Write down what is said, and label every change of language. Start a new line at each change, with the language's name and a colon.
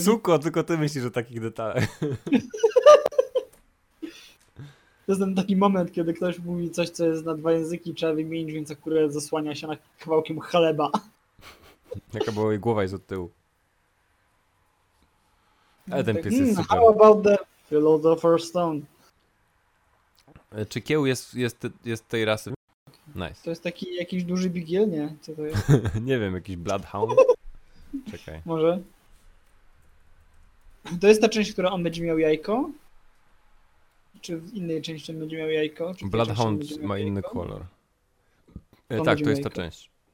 Polish: Suko, tylko ty myślisz o takich detalach. To jest ten taki moment, kiedy ktoś mówi coś, co jest na dwa języki, trzeba wymienić, więc akurat zasłania się na kawałkiem chleba. Jaka była jej głowa jest od tyłu. Ale ten pies jest super.
English: How about the Philosopher's Stone?
Polish: Czy kieł jest tej rasy?
English: Nice.
Polish: To jest taki jakiś duży bigiel, nie? Co to jest? Nie wiem, jakiś bloodhound? Czekaj. Może? To jest ta część, która on będzie miał jajko? Czy w innej części on będzie miał jajko? Czy bloodhound ma inny kolor. Tak, to jest ta część.